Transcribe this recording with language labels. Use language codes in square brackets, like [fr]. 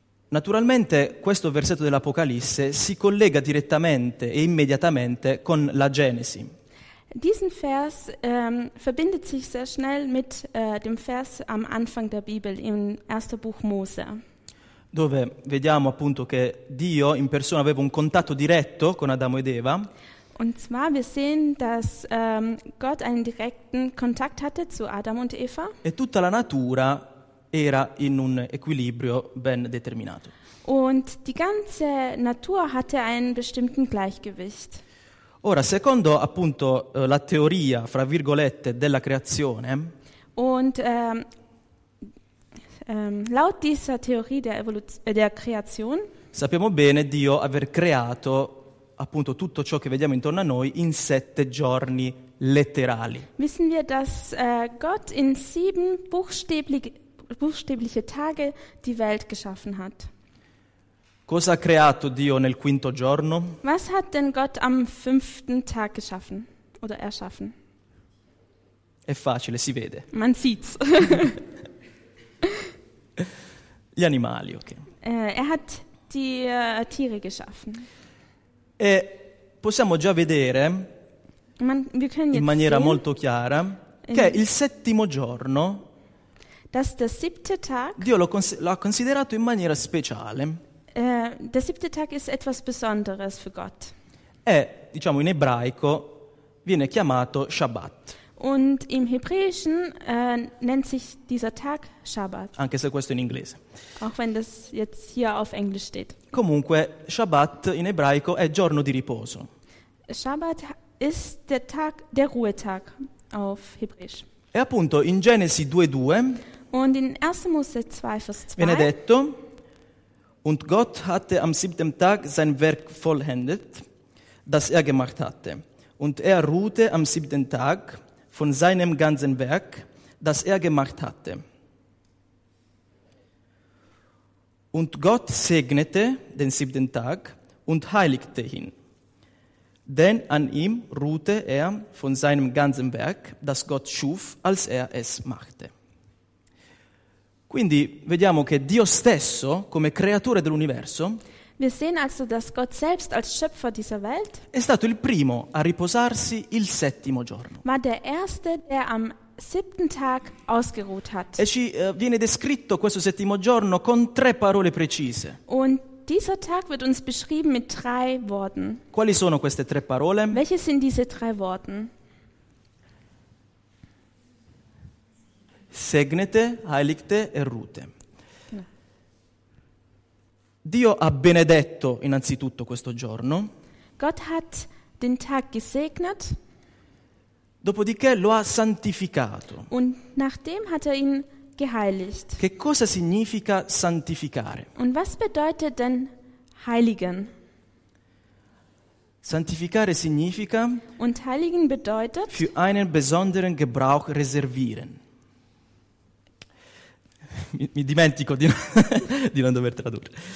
[it] Naturalmente questo versetto dell'Apocalisse si collega direttamente e immediatamente con la Genesi. [de] Diesen Vers verbindet sich sehr schnell mit dem Vers am Anfang der Bibel im ersten Buch Mose. [it] Dove vediamo appunto che Dio in persona aveva un contatto diretto con Adamo ed Eva. [de] Und zwar, wir sehen, dass Gott einen direkten Kontakt hatte zu Adam und Eva. [it] E tutta la natura era in un equilibrio ben determinato. [de] Und die ganze Natur hatte einen bestimmten Gleichgewicht. [it] Ora, secondo appunto la teoria, fra virgolette, della creazione. [de] Und laut dieser Theorie der Kreation. [it] Sappiamo bene Dio aver creato appunto tutto ciò che vediamo intorno a noi in sette giorni letterali. [de] Wissen wir, dass Gott in sieben buchstäbliche Tage die Welt geschaffen hat. [it] Cosa ha creato Dio nel quinto giorno? [de] Was hat denn Gott am fünften Tag geschaffen oder erschaffen? [it] È facile, si vede. [de] Man sieht's. [it] Gli animali, ok. [de] Er hat die Tiere geschaffen. [it] E possiamo già vedere in maniera molto chiara che il settimo giorno Dio lo ha considerato in maniera speciale. [de] Der siebte Tag ist etwas Besonderes für Gott. [it] E diciamo in ebraico viene chiamato Shabbat. [de] Und im Hebräischen nennt sich dieser Tag Shabbat. [it] Anche se questo in inglese. [de] Auch wenn das jetzt hier auf Englisch steht. [it] Comunque, Shabbat in ebraico è giorno di riposo. [de] Shabbat ist der Tag, der Ruhetag auf Hebräisch. [it] E appunto in Genesi 2,2. [de] Und in 1. Mose 2, Vers 2. [it] Viene detto: [de] Und Gott hatte am siebten Tag sein Werk vollendet, das er gemacht hatte. Und er ruhte am siebten Tag von seinem ganzen Werk, das er gemacht hatte. Und Gott segnete den siebten Tag und heiligte ihn. Denn an ihm ruhte er von seinem ganzen Werk, das Gott schuf, als er es machte. [it] Quindi vediamo che Dio stesso, come creatore dell'universo, [de] wir sehen also, dass Gott selbst als Schöpfer dieser Welt [it] è stato il primo a riposarsi il settimo giorno. [de] War der erste, der am siebten Tag ausgeruht hat. [it] E ci viene descritto questo settimo giorno con tre parole precise. [de] Und dieser Tag wird uns beschrieben mit drei Worten. [it] Quali sono queste tre parole? [de] Welche sind diese drei Worten? Segnete, heiligte e ruhte. [it] Dio ha benedetto innanzitutto questo giorno. [de] Gott hat den Tag gesegnet. [it] Dopodiché lo ha santificato. [de] Und nachdem hat er ihn geheiligt. [it] Che cosa significa santificare? [de] Und was bedeutet denn heiligen? [it] Santificare significa [de] und heiligen bedeutet für einen besonderen Gebrauch reservieren. [it] Mi dimentico di non dover tradurre.